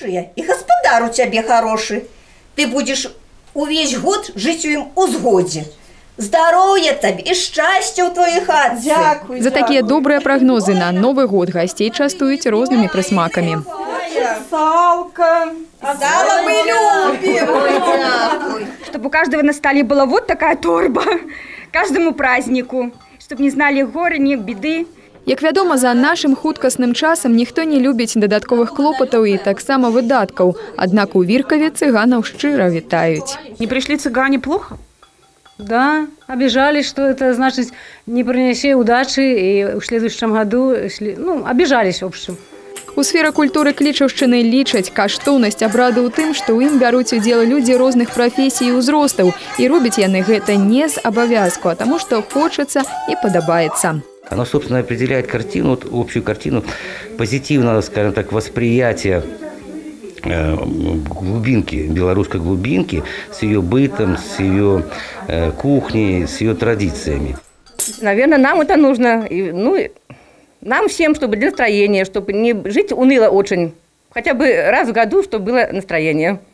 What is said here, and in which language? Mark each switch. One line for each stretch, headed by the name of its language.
Belarusian: І гаспадар у цябе харошы, ты будзеш увесь год жыць у ім у згодзе. Здароўя табе і шчасця ў твоїй хаце. Дзякуй. За такія добрыя прагнозы на Новы год гасцей частуюць рознымі прысмакамі. Салка. Сала мы любім.
Russian: Чтоб у каждого на столе была вот такая торба. Каждому празніку. Чтоб не знали горы, ні беды.
Belarusian: Як вядома, за нашым хуткасным часам ніхто не любіць дадатковых клопатаў і таксама выдаткаў. Аднак у Віркаве цыганаў шчыра вітаюць. Не прыйшлі цыгане
Russian: плохо? Да, обижались, что это значит не принеси удачи и в следующем году, ну, обижались в общем.
Belarusian: У сферы культуры Клічаўшчыны лічаць каштоўнасць абраду ў тым, што ў ім бяруць удзел людзі розных прафесій і ўзростаў, і робяць яны гэта не з абавязку, а таму, што хочацца і падабаецца.
Russian: Оно, собственно, определяет картину, вот, общую картину позитивного, скажем так, восприятия глубинки, белорусской глубинки, с ее бытом, с ее кухней, с ее традициями. Наверное, нам это нужно, и, ну, нам всем, чтобы для настроения, чтобы не жить уныло очень, хотя бы раз в году, чтобы было настроение.